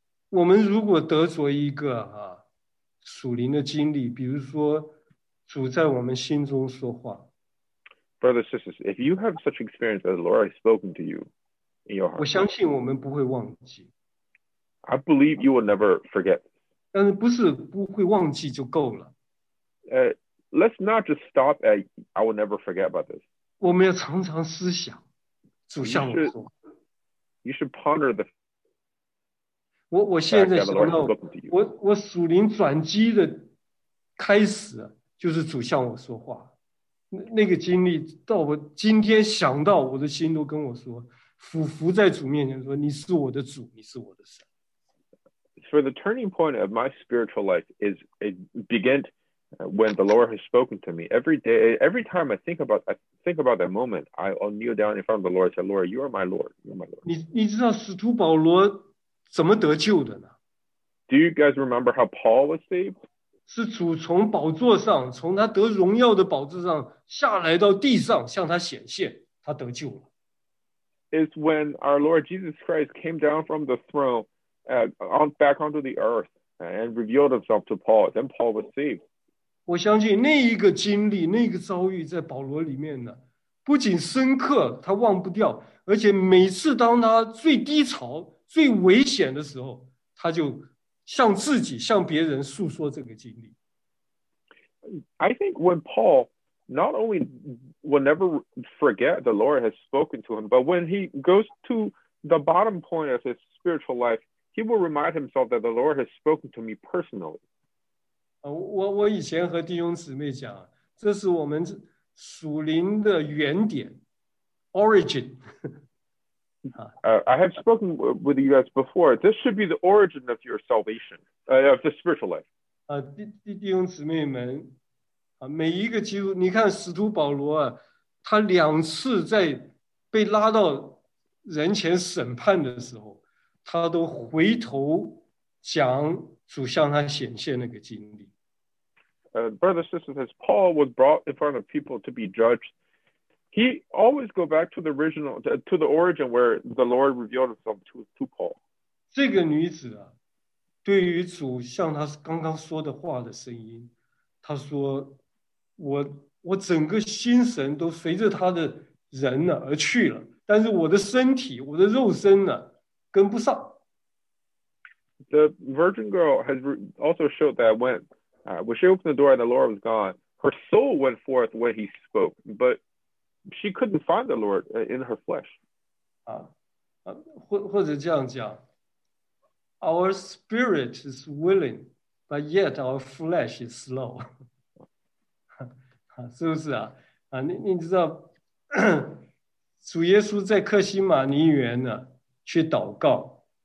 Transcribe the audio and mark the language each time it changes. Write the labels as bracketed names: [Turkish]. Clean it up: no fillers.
[Chinese] 我们如果得着一个属灵的经历，比如说主在我们心中说话。 [English] Brothers, sisters, if you have such experience that the Lord has spoken to you in your heart, [Chinese] 我相信我们不会忘记。 [English] I believe you will never forget. [Chinese] 但是不是不会忘记就够了。 [English] Let's not just stop at I will never forget about this. [Chinese] 我们要常常思想主向我说话。 [English] You should ponder the fact [Chinese] 我现在想到我属灵转机的开始就是主向我说话，那个经历到我今天想到，我的心都跟我说，俯伏在主面前说，你是我的主，你是我的神。 [English] For the turning point of my spiritual life is it began when the Lord has spoken to me. Every day, every time I think about that moment, I'll kneel down in front of the Lord and say, Lord, you are my Lord. You are my Lord. [Chinese] 你知道使徒保罗怎么得救的呢？ [English] Do you guys remember how Paul was saved? [Chinese] 是主从宝座上，从他得荣耀的宝座上下来到地上，向他显现，他得救了。 [English] It's when our Lord Jesus Christ came down from the throne back onto the earth and revealed himself to Paul. Then Paul was saved. [Chinese] 我相信那一个经历，那个遭遇在保罗里面呢，不仅深刻，他忘不掉，而且每次当他最低潮、最危险的时候，他就向自己、向别人诉说这个经历。 [English] I think when Paul not only will never forget the Lord has spoken to him, but when he goes to the bottom point of his spiritual life, he will remind himself that the Lord has spoken to me personally. [Chinese] 我以前和弟兄姊妹讲，这是我们属灵的原点 ，origin. [English] I have spoken with you guys before. This should be the origin of your salvation, of the spiritual life. [Chinese] 弟兄姊妹们，每一个基督，你看使徒保罗啊，他两次在被拉到人前审判的时候，他都回头讲主向他显现那个经历。 [English] Brothers and sisters, as Paul was brought in front of people to be judged, he always go back to the original, to the origin where the Lord revealed himself to Paul. [Chinese] 这个女子啊，对于主向她刚刚说的话的声音，她说，我整个心神都随着他的人呢而去了，但是我的身体，我的肉身呢，跟不上。 [English] The virgin girl has also showed that when she opened the door and the Lord was gone, her soul went forth when he spoke, but she couldn't find the Lord in her flesh. [Chinese] 或者这样讲， [English] Our spirit is willing, but yet our flesh is slow. [Chinese] 是不是啊？你知道，主耶稣在客西马尼园呢去祷告。